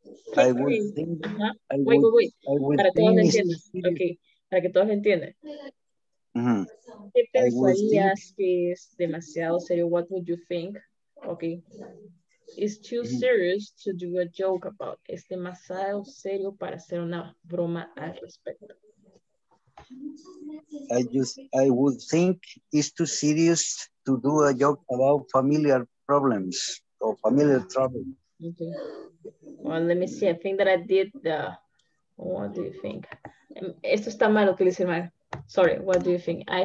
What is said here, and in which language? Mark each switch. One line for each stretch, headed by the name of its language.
Spanish: Para que todos entiendan. Uh-huh. ¿Qué pensarías que es demasiado serio?
English: What would you think? Okay. It's too serious to do a joke about.
Spanish: Es demasiado serio para hacer una broma al respecto.
English: I would think it's too serious to do a joke about familiar problems or familiar trouble. Okay. Well, let me see. I think that I did the. What do you think?
Spanish: Esto está mal, que le hice mal.
English: Sorry, what do you think?